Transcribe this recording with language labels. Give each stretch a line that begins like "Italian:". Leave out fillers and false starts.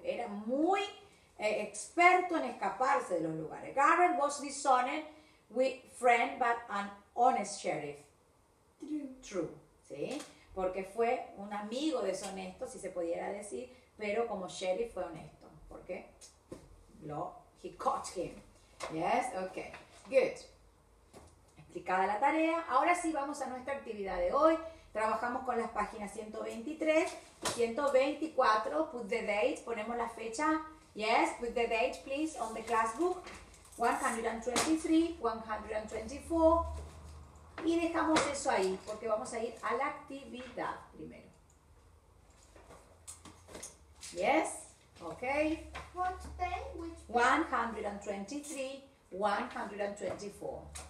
Spanish: Era muy experto en escaparse de los lugares.
English: Garrett was dishonored with friend, but an honest sheriff. True. True, ¿sí?
Spanish: Porque fue un amigo deshonesto, si se pudiera decir, pero como sheriff fue honesto. ¿Por qué?
English: He caught him. Yes, okay, good.
Spanish: Explicada la tarea, ahora sí vamos a nuestra actividad de hoy. Trabajamos con las páginas 123 y 124.
English: Put the date,
Spanish: ponemos la fecha.
English: Yes, put the date, please, on the class book.
Spanish: 123, 124. Y dejamos eso ahí, porque vamos a ir a la actividad primero.
English: Yes, okay. What page? Which page? 123, 124.